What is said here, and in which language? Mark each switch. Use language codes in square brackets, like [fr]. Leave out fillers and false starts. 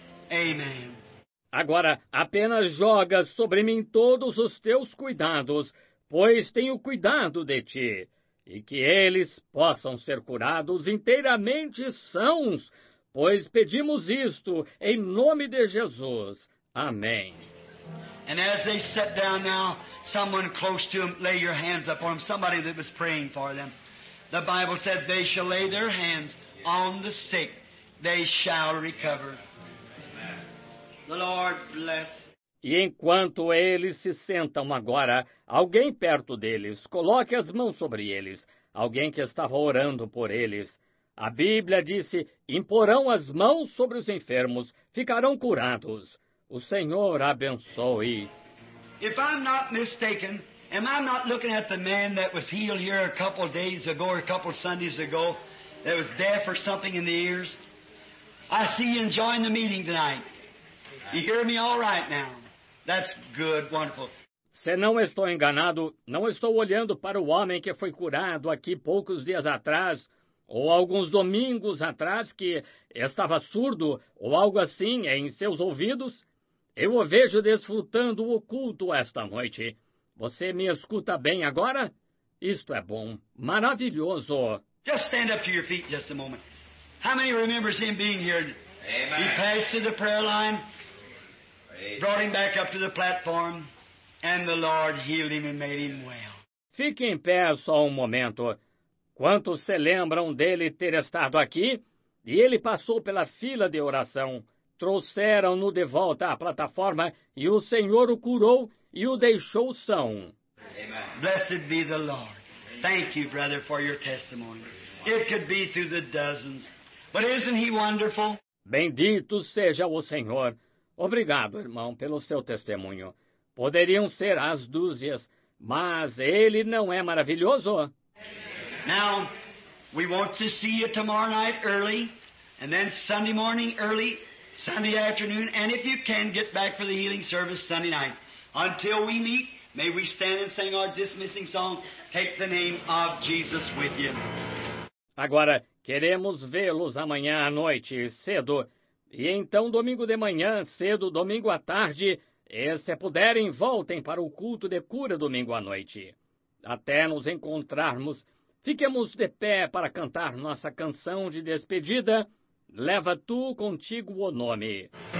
[en] Amen. [pt] Agora, apenas joga sobre mim todos os teus cuidados, pois tenho cuidado de ti, e que eles possam ser curados inteiramente sãos, pois pedimos isto em nome de Jesus. Amém. [en] And as they sat down now, someone close to them, lay your hands upon them, somebody that was praying for them. The Bible said, they shall lay their hands on the sick, they shall recover. The Lord bless. [pt] E enquanto eles se sentam agora, alguém perto deles, coloque as mãos sobre eles, alguém que estava orando por eles. A Bíblia disse, imporão as mãos sobre os enfermos, ficarão curados. O Senhor abençoe. [en] If I'm not mistaken, am I not looking at the man that was healed here a couple of days ago or a couple of Sundays ago that was deaf or something in the ears? I see you enjoying the meeting tonight. You hear me all right now? That's good, wonderful. [pt] Se não estou enganado, não estou olhando para o homem que foi curado aqui poucos dias atrás ou alguns domingos atrás que estava surdo ou algo assim em seus ouvidos. Eu o vejo desfrutando o culto esta noite. Você me escuta bem agora? Isto é bom. Maravilhoso. [en] Just stand up to your feet just a moment. How many remembers him being here? Amen. He passed through the prayer line, brought him back up to the platform, and the Lord healed him and made him well. [pt] Fique em pé só um momento. Quantos se lembram dele ter estado aqui? E ele passou pela fila de oração. Trouxeram-no de volta à plataforma e o Senhor o curou e o deixou são. [en] Blessed be the Lord. Thank you, brother, for your testimony. It could be through the dozens. But isn't he wonderful? [pt] Bendito seja o Senhor. Obrigado, irmão, pelo seu testemunho. Poderiam ser as dúzias, mas ele não é maravilhoso? [en] Now, we want to see you tomorrow night early, and then Sunday morning early, Sunday afternoon, and if you can, get back for the healing service Sunday night. Until we meet, may we stand and sing our dismissing song, Take the Name of Jesus with You. [pt] Agora, queremos vê-los amanhã à noite, cedo, e então domingo de manhã, cedo, domingo à tarde, e se puderem, voltem para o culto de cura domingo à noite. Até nos encontrarmos, fiquemos de pé para cantar nossa canção de despedida, Leva tu contigo o nome.